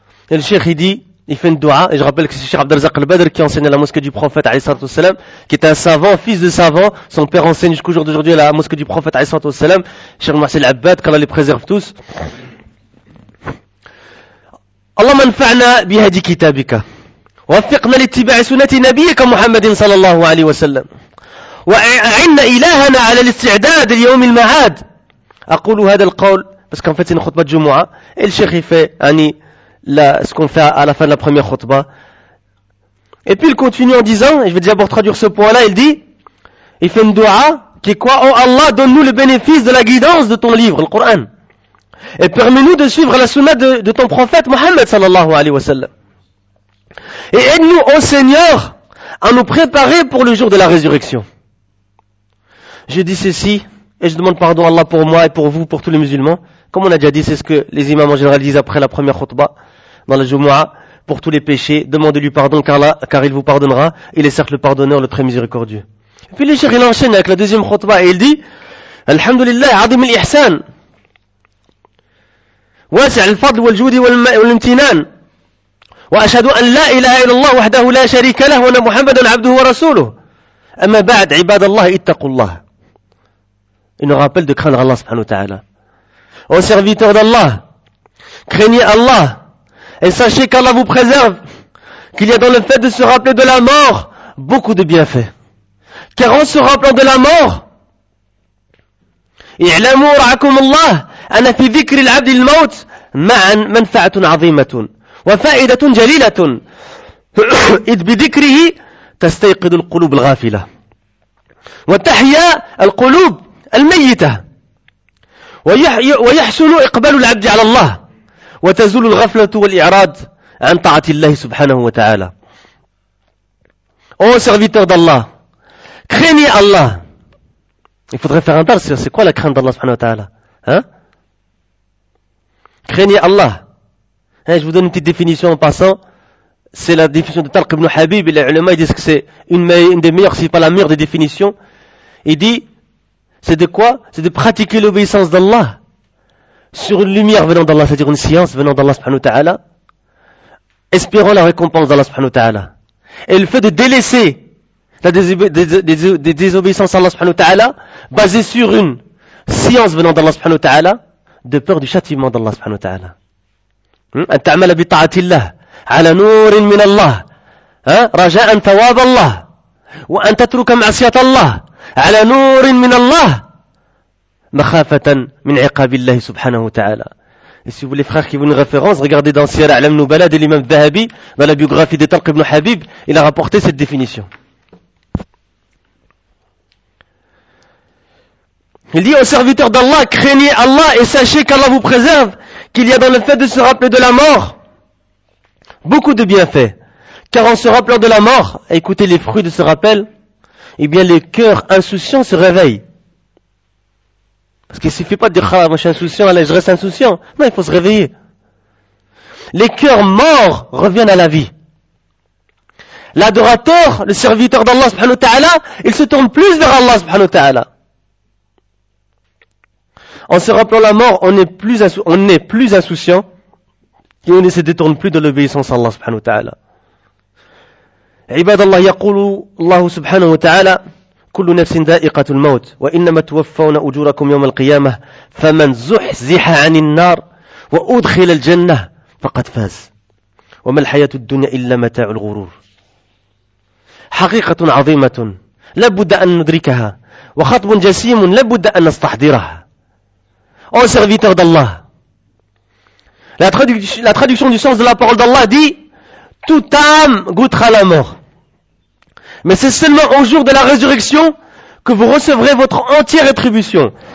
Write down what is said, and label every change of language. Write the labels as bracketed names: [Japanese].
[French] Et le cheikh il dit, il fait une doua, et je rappelle que c'est le cheikh Abdelazak al-Badr qui enseigne à la mosquée du prophète alayhi salatu wassalam, qui est un savant, fils de savant, son père enseigne jusqu'au jour d'aujourd'hui à la mosquée du prophète alayhi salatu wassalam, cheikh Mohsen al-Abbad, qu'Allah les préserve tous. [Arabic] اللهم انفعنا بهدي كتابك وفقنا لاتباع سنة نبيك محمد صلى الله عليه وسلم وأعنا إلهنا على الاستعداد اليوم المعاد. أقول هذا القول بس كان فاتني خطبة جمعة الشيخ في يعني لا سكون في على فن البرمير خطبة. [French] Et puis il continue en disant, et je vais déjà pour traduire ce point-là, il dit, il fait une doua qui est quoi? Oh Allah, donne-nous le bénéfice de la guidance de ton livre, le Coran. Et permets-nous de suivre la sunna de ton prophète Mohammed sallallahu alayhi wa sallam. Et aide-nous, ô Seigneur, à nous préparer pour le jour de la résurrection. Je dis ceci, et je demande pardon à Allah pour moi et pour vous, pour tous les musulmans. Comme on a déjà dit, c'est ce que les imams en général disent après la première khutbah, dans la Jumu'ah, pour tous les péchés, demandez-lui pardon car il vous pardonnera. Il est certes le pardonneur, le très miséricordieux. Et puis le cheikh il enchaîne avec la deuxième khutbah et il dit, Alhamdulillah, adim al-ihsan. [Arabic] واسع الفضل والجود والامتنان وأشهد أن لا إله إلا الله وحده لا شريك له وأن محمدا عبده ورسوله أما بعد عباد الله اتقوا الله إنه [French] rappel de craindre Allah سبحانه وتعالى أو serviteur d'Allah craignez Allah et sachez qu'Allah vous préserve qu'il y a dans le fait de se rappeler de la mort beaucoup de bienfaits car en se rappelant de la mort [Arabic] اعلموا رعاكم الله أنا في ذكر العبد الموت معا منفعة عظيمة وفائدة جليلة إذ بذكره تستيقظ القلوب الغافلة وتحيا القلوب الميتة ويحسن إقبال العبد على الله وتزول الغفلة والإعراض عن طاعة الله سبحانه وتعالى. [French] أو serviteur d'Allah craignez Allah. Il faudrait faire un dars. C'est quoi la crainte d'Allah سبحانه وتعالى, hein? Craignez Allah. Hein, je vous donne une petite définition en passant. C'est la définition de Talq ibn Habib. Les ulama disent que c'est une des meilleures, si pas la meilleure des définitions. Il dit, c'est de quoi? C'est de pratiquer l'obéissance d'Allah sur une lumière venant d'Allah, c'est-à-dire une science venant d'Allah subhanahu wa ta'ala, espérant la récompense d'Allah subhanahu wa ta'ala. Et le fait de délaisser la désobéissance à Allah subhanahu wa ta'ala basée sur une science venant d'Allah subhanahu wa ta'ala, de peur du châtiment d'Allah subhanahu wa ta'ala. [Arabic] أن تعمل بطاعة الله على نور من الله رجاء ثواب الله وأن تترك معصية الله على نور من الله مخافة من عقاب الله سبحانه وتعالى. [French] Et si vous voulez, frères, qui vous une référence, regardez dans Sira Alam Nubala de l'imam Dhahabi, dans la biographie de Talq ibn Habib, il a rapporté cette définition. Il dit aux serviteurs d'Allah, craignez Allah et sachez qu'Allah vous préserve, qu'il y a dans le fait de se rappeler de la mort, beaucoup de bienfaits. Car en se rappelant de la mort, écoutez les fruits de ce rappel, eh bien les cœurs insouciants se réveillent. Parce qu'il ne suffit pas de dire « Ah, moi je suis insouciant, allez, je reste insouciant. » Non, il faut se réveiller. Les cœurs morts reviennent à la vie. L'adorateur, le serviteur d'Allah subhanahu wa ta'ala, il se tourne plus vers Allah subhanahu wa ta'ala. En se rappelant la mort, on est plus insouciant et on ne se détourne plus de l'obéissance à Allah subhanahu wa ta'ala. [Arabic] عباد الله يقول الله سبحانه وتعالى كل نفس ذائقة الموت وإنما توفون أجوركم يوم القيامة فمن زحزح عن النار وأدخل الجنة فقد فاز وما الحياة الدنيا إلا متاع الغرور. حقيقة عظيمة لابد أن ندركها وخطب جسيم لابد أن نستحضرها. [French] أو serviteur d'Allah, la traduction du sens de la parole d'Allah dit: toute âme goûtera la mort. Mais c'est seulement au jour de la résurrection que vous recevrez votre entière rétribution.